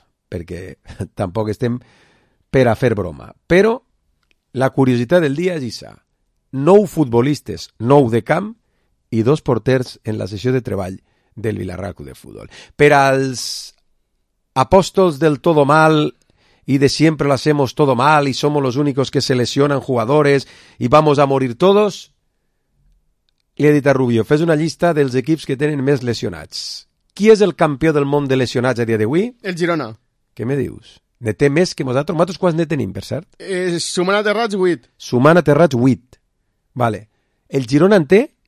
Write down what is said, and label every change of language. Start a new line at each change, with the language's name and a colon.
Catalan: Perquè tampoc estem per a fer broma. Però la curiositat del dia és aquesta. 9 futbolistes, 9 de camp i 2 porters en la sessió de treball del Vila-real de futbol. Per als apòstols del todo mal...
Spanish: Y de siempre lo hacemos todo mal y somos los únicos que se lesionan jugadores y vamos a morir todos.
Catalan: Le he dit a Rubio, fes una llista dels equips que tenen més lesionats. Qui és el campió del món de lesionats a dia d'avui? El Girona. Què me dius? Ne té més que nosaltres? Matos, quants ne tenim, per cert? Suman aterrats, 8. Suman aterrats, 8. Vale. El Girona en té?